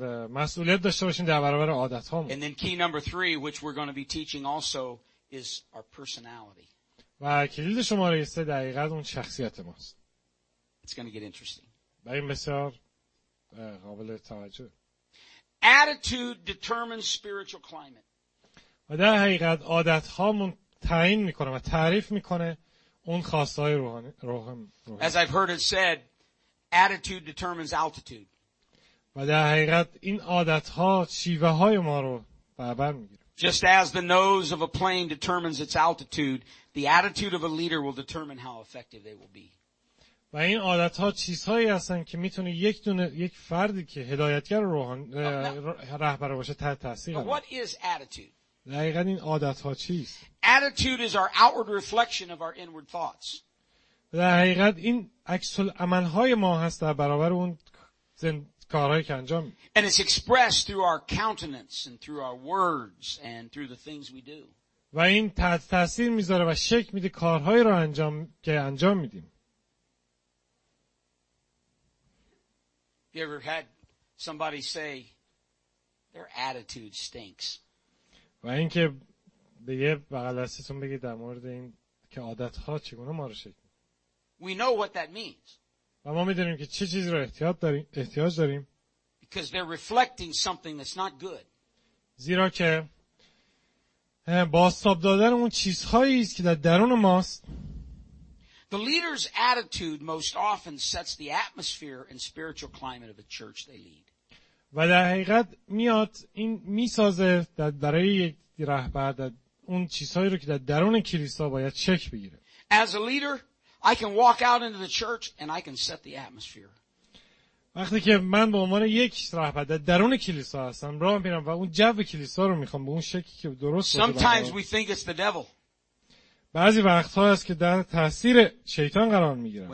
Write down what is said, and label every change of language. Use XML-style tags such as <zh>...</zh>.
<fa>مسئولیت داشته باشیم در برابر عادت‌هامون.</fa> <en>And then key number three, which we're going to be teaching also, is our personality.</en> <fa>و کلید شماره 3 دقیقاً اون شخصیت ماست.</fa> <en>It's going to get interesting.</en> <fa>این بسیار قابل توجه.</fa> <en>Attitude determines spiritual climate.</en> <fa>و در حقیقت عادت‌هامون تعیین می‌کنه و تعریف می‌کنه اون خواست‌های روحانی.</fa> <en>As I've heard it said, attitude determines altitude.</en> <fa>و در حقیقت این عادت‌ها شیوه‌های ما رو برابر می‌گیره.</fa> <en>Just as the nose of a plane determines its altitude, the attitude of a leader will determine how effective they will be.</en> <fa>و این عادت‌ها چیزهایی هستن که می‌تونه یک فردی که هدایتگر روحانی رهبر باشه تحت تأثیر قرار بگیره.</fa> <en>What is attitude?</en> <fa>دقیقاً این عادت‌ها چیست؟</fa> <en>Attitude is our outward reflection of our inward thoughts.</en> <fa>در حقیقت این عکس العمل‌های ما هست در برابر اون</fa> <en>And it's expressed through our countenance and through our words and through the things we do.</en> <fa>و این تاثیر میذاره و شک میده کارهایی رو انجام که انجام میدیم.</fa> <en>You ever had somebody say their attitude stinks?</en> <fa>و اینکه به یه بغل دستتون بگید در مورد این که عادت‌ها چگونه ما رو شک میده.</fa> <en>We know what that means.</en> <fa>و ما می‌دونیم که چه چیزی رو احتیاج داریم.</fa> <en>Because they're reflecting something that's not good.</en> <fa>زیرا که بازتاب دادن اون چیزهایی است که در درون ماست.</fa> <en>The leader's attitude most often sets the atmosphere and spiritual climate of the church they lead.</en> <fa>و در حقیقت میاد این می‌سازه در برای یک رهبر اون چیزهایی رو که در درون کلیسا باید چک بگیره.</fa> <en>As a leader I can walk out into the church and I can set the atmosphere.</en> <fa>وقتی که من به عنوان یک رهبر در درون کلیسا هستم، راه میرم و اون جو کلیسا رو میخوام به اون شکلی که درست باشه.</fa> <en>Sometimes we think it's the devil.</en> <fa>بعضی وقت‌ها هست که در تاثیر شیطان قرار میگیرم.</fa>